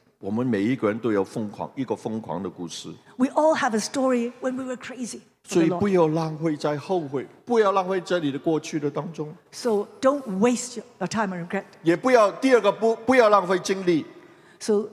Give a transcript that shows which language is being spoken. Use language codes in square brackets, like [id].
[zh] 我们每一个人都有疯狂的故事, [en] we all have a story when we were crazy. [zh] 所以不要浪费在后悔，不要浪费在你的过去的当中。 [en] So don't waste your time and regret. [zh] 也不要第二个不要浪费精力。So